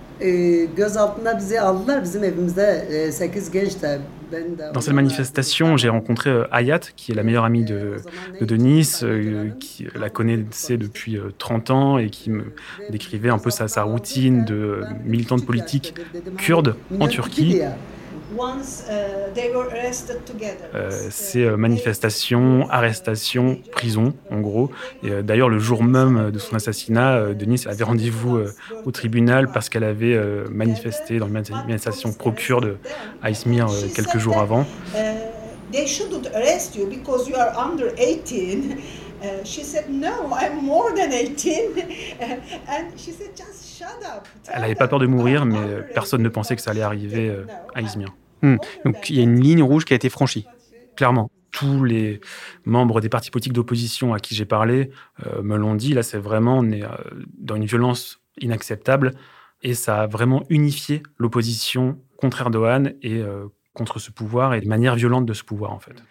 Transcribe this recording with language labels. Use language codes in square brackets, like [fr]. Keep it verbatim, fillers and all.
[fr] Dans cette manifestation, j'ai rencontré euh, Hayat, qui est la meilleure amie de, de Denise, euh, qui la connaissait depuis euh, trente ans et qui me décrivait un peu sa, sa routine de euh, militante politique kurde en Turquie. [en] Once, uh, they were arrested together. [fr] Euh, c'est euh, manifestation, arrestation, prison, en gros. Et, euh, d'ailleurs, le jour même de son assassinat, euh, Denise avait rendez-vous euh, au tribunal parce qu'elle avait euh, manifesté dans une manifestation pro-kurde à Izmir euh, quelques jours avant. [en] They shouldn't arrest you because you are under eighteen. She said no, I'm more than eighteen. And she said just shut up. [fr] Elle n'avait pas peur de mourir, mais personne ne pensait que ça allait arriver à Izmir. Mmh. Donc il y a une ligne rouge qui a été franchie, clairement. Tous les membres des partis politiques d'opposition à qui j'ai parlé euh, me l'ont dit. Là, c'est vraiment, on est euh, dans une violence inacceptable, et ça a vraiment unifié l'opposition contre Erdogan et euh, contre ce pouvoir, et de manière violente de ce pouvoir, en fait.